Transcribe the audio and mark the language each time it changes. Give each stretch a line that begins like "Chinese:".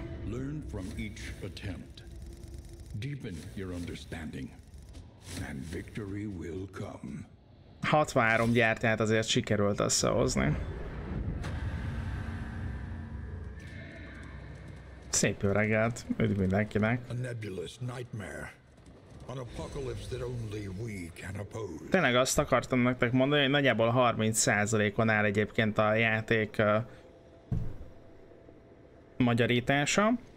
English: Learn from each attempt. Deepen your understanding. And victory will come.
Hungarian: 63 gyertyát azért sikerült összehozni. Szép jó reggelt, üdv mindenkinek.
English: A nebulous nightmare. An apocalypse that only we can oppose.
Hungarian: Tényleg azt akartam nektek mondani, hogy nagyjából 30%-on áll egyébként a játék magyarítása.